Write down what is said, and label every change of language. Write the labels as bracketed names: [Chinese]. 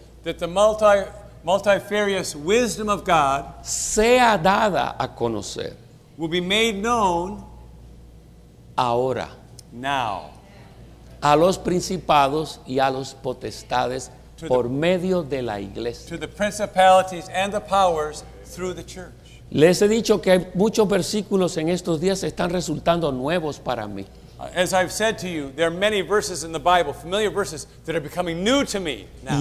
[English] That the multifarious wisdom of God. [Spanish] Sea dada a conocer. [English] Will be made known. [Spanish] Ahora. [English] Now. [Spanish] A los principados y a los potestades por medio de la iglesia. [English] To the principalities and the powers through the church. [Spanish] Les he dicho que muchos versículos en estos días están resultando nuevos para mí. [English] As I've said to you, there are many verses in the Bible, familiar verses, that are becoming new to me now.